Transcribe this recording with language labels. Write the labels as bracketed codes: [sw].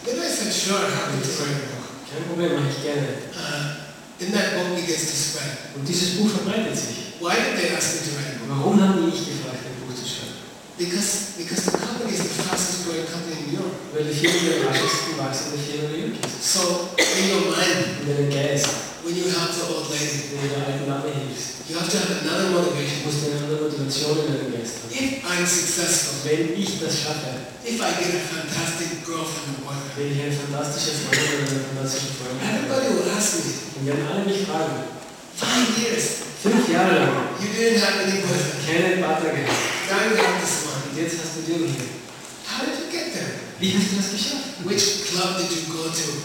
[en] Then I said, sure, I'll be doing it. [de] Kein Problem, mache ich gerne. [en] In that book begins to spread. [de] Und dieses Buch verbreitet sich. [en] Why did they ask me to write a book? [de] Warum haben die mich gefragt, ein Buch zu schreiben? [en] Because the company is the fastest growing company in New York. [de] Weil die Firma der meisten wachsende Firma in New York ist. [en] So, in your mind, [de] in deinem Geist, [en] when you help the old lady, [de] wenn du der alten Dame hilfst, [en] you have to have another motivation. [de] Musst du eine andere Motivation in deinem Geist haben. [en] If I'm successful, [de] wenn ich das schaffe, [en] if I get a fantastic girlfriend and boyfriend, [de] wenn ich eine fantastische Freundin oder einen fantastischen Freund [en] habe, everybody will ask me. [de] Und werden alle mich fragen. [en] 5 years. [de] 5 Jahre lang. [en] You didn't have any boyfriend. [de] Keinen Partner gehabt. [en] Now you have this one. [de] Und jetzt hast du den hier. [en] How did you get there? [de] Wie hast du das geschafft? [en] Which club did you go to?